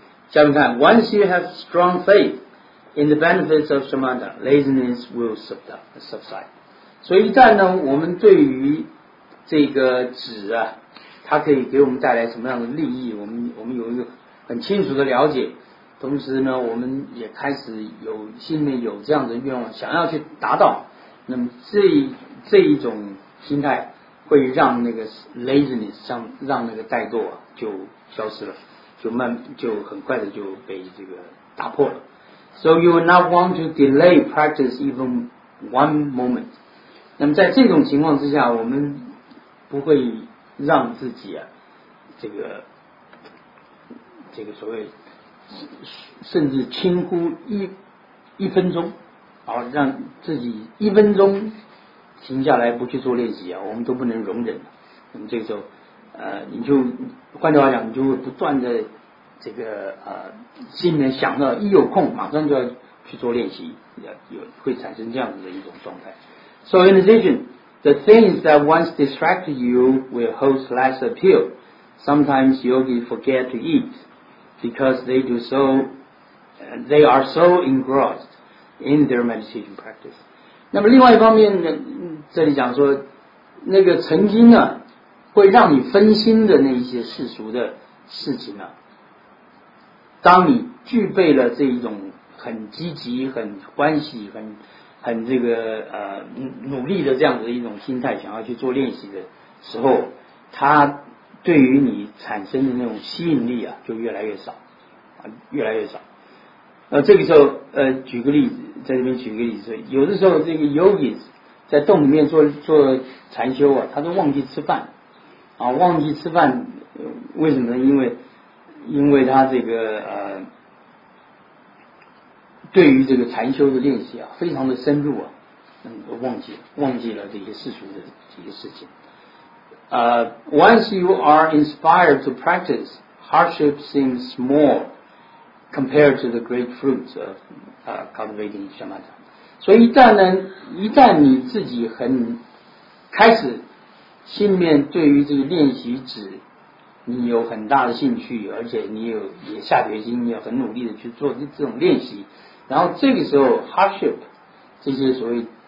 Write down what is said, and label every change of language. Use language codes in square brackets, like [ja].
[zh] 下面看 [en] ，Once you have strong faith in the benefits of samatha, laziness will subside. [zh] 所以一旦呢，我们对于这个止啊，它可以给我们带来什么样的利益，我们有一个很清楚的了解，同时呢，我们也开始有心里面有这样的愿望，想要去达到，那么这一种。心态会让那个 laziness， 让那个怠惰、啊、就消失了，就很快的就被这个打破了。 [en] So you will not want to delay practice even one moment。 [zh] 那么在这种情况之下，我们不会让自己啊，这个所谓甚至轻呼一分钟，好让自己一分钟停下来不去做练习啊，我们都不能容忍。那么这个时候，你就换句话讲，你就会不断的这个心里面想到一有空马上就要去做练习，有会产生这样子的一种状态。 [en] So in addition, the things that once distract you will host less appeal. Sometimes yogis forget to eat because they do so, they are so engrossed in their meditation practice. [zh] 那么另外一方面呢，这里讲说那个曾经呢会让你分心的那一些世俗的事情呢，当你具备了这一种很积极很欢喜很这个努力的这样子的一种心态想要去做练习的时候，它对于你产生的那种吸引力啊就越来越少，越来越少。这个时候举个例子，在这边举个例子，有的时候这个 yogis 在洞里面做禅修啊，他都忘记吃饭啊，忘记吃饭，为什么呢？因为他这个对于这个禅修的练习啊非常的深入啊，忘记了这些世俗的这些事情。 [en] Once you are inspired to practice, hardship seems small compared to the great fruits of cultivating shamatha. [zh] 所以一旦你自己很开始心里面对于这个练习止你有很大的兴趣，而且你也下决心你也很努力的去做这种练习，然后这个时候 hardship 这些所谓